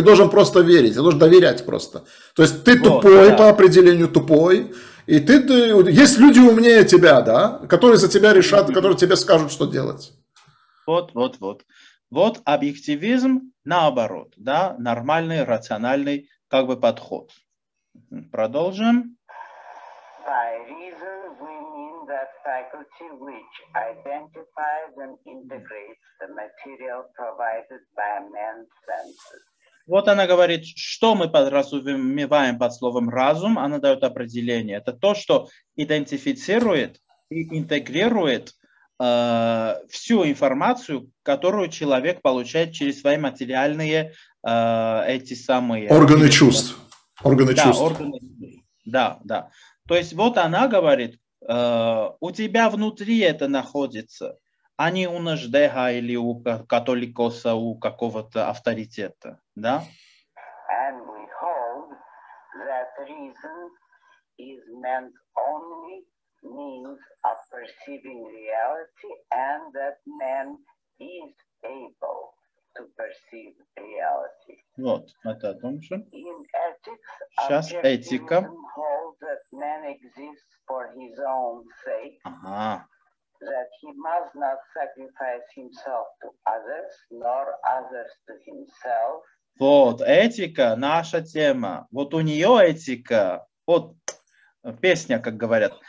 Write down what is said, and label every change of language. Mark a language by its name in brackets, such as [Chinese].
[Russian] Ты должен просто верить, ты должен доверять просто. То есть ты тупой, по определению тупой. И ты есть люди умнее тебя, да, которые за тебя решат, которые тебе скажут, что делать. Вот. Вот объективизм наоборот, да, нормальный, рациональный как бы подход. Продолжим. [English] By reason we mean that faculty which identifies and integrates the material provided by man's senses. [Russian] Вот она говорит, что мы подразумеваем под словом «разум», она дает определение. Это то, что идентифицирует и интегрирует всю информацию, которую человек получает через свои материальные эти самые... Органы чувств. Органы чувств. Да. То есть вот она говорит, у тебя внутри это находится, а не у Наждега или у католикоса, у какого-то авторитета. Да? [English] And we hold that reason is meant only means of perceiving reality and that man is able to perceive reality. [Russian] Вот, это о том, что... [English] In ethics, [Russian] сейчас этика. [English] Holds that man exists for his own sake. [Russian] Ага. [English] That he must not sacrifice himself to others, nor others to himself. [Russian] Вот, этика, наша тема. Вот у нее этика, вот песня, как говорят.